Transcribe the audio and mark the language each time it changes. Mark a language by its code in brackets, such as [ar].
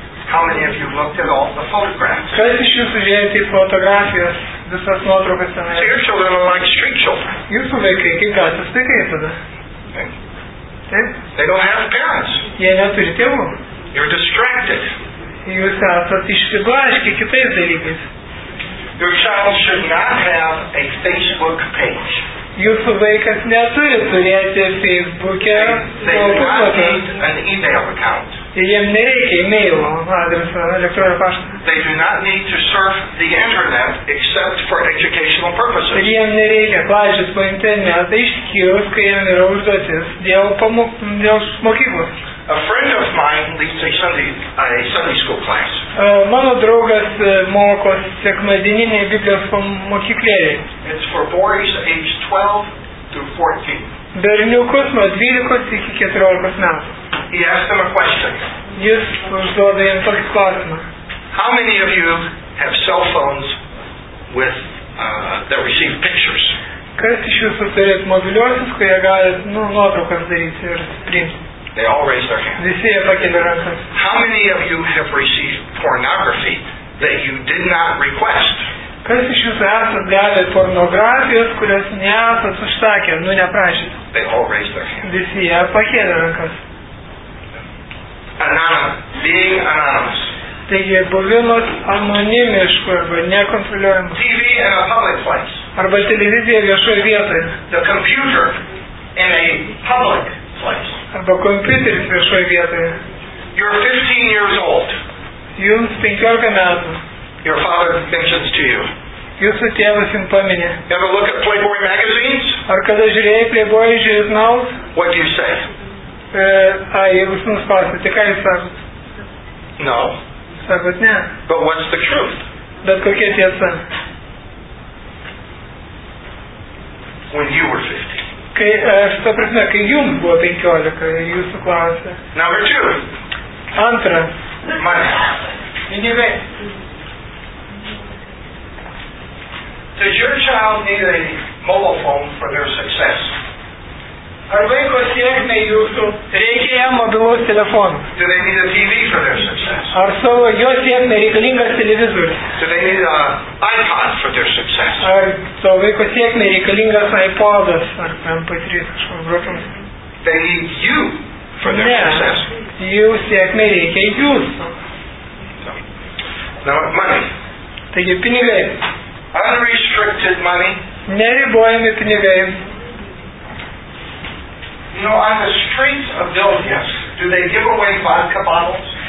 [en] How many of you looked at all the photographs? [lt] Kas iš jūsų žiūrėjęs į fotografijas, visas nuotraukas ten yra. [en] So your children are like street children. [lt] Jūsų vaikai kaip gatvės vaikai tada. [en] They don't have parents. [lt] Jie neturi tėvų. [en] You're distracted. [lt] Jūs esat išsiblaškę kitais dalykais. [en] Your child should not have a Facebook page. [lt] Jūsų vaikas neturi turėti Facebook'e. [en] They do not need an email account. [lt] Jiem nereikia e-mailo adreso elektroninio pašto. [en] They do not need to surf the internet except for educational purposes. [lt] Jiem nereikia plaukioti po internetą išskyrus, kai jiem yra užduotis dėl mokyklos. [en] A friend of mine leads a Sunday school class. [lt] Mano draugas mokos sekmadieninėje Biblijos mokyklėje. [en] It's for boys aged 12 to 14. [lt] Berniukus nuo 12 iki 14 metų. [en] He asked them a question. [lt] Jis užduoda jiems tokį klausimą. [en] How many of you have cell phones with that receive pictures? [lt] Kas iš jūsų turėt mobiliuosius, kurie gali nuotraukas daryti ir priimti? [en] They all raised their hands. How many of you have received pornography that you did not request? [lt] Kas iš jūsų esat gavę pornografijos, kurios nesat užsakę, nu neprašyt? [en] They all raised their hands. [lt] Visi jie pakėlė rankas. [en] Being anonymous. [lt] Taigi buvimas anonimiškų arba nekontroliuojamas. [en] TV in a public place. [lt] Arba televizija viešoje vietoje. [en] The computer in a public place. [lt] Arba kompiuteris viešoje vietoje. [en] You're 15 years old. [lt] Jums 15 metų. [en] Your father mentions to you. [lt] Jūsų tėvas jums paminė. [en] You ever look at Playboy magazines? [lt] Ar kada žiūrėjai Playboy žurnalus? [en] What do you say? [lt] Jeigu sūnus klausia, ką jūs sakot? [en] No. [lt] Sakot ne. [en] But what's the truth? [lt] Bet kokia tiesa? [en] When you were 15. [lt] Kai, šito prasme, kai jums buvo 15, jūsų klausė. [en] Number two. [lt] Antra. [en] Money. [lt] Pinigai. [en] Does your child need a mobile phone for their success? [lt] Ar vaiko sėkmė jūsų, reikia jam mobilus telefonų? [en] Do they need a TV for their success? [lt] Ar savo jo sėkmė reikalingas televizorius? [en] Do they need an iPod for their success? [lt] Ar savo vaiko sėkmė reikalingas iPod'as ar MP3 kažkoks grotuvas? [en] They need you for their success. [lt] Ne, jų sėkmė reikia jūsų. [en] Now, money. [lt] Taigi, pinigai. [en] Unrestricted money. [lt] Neribojami pinigai. [en] You know, on the streets of Vilnius, do they give away vodka bottles?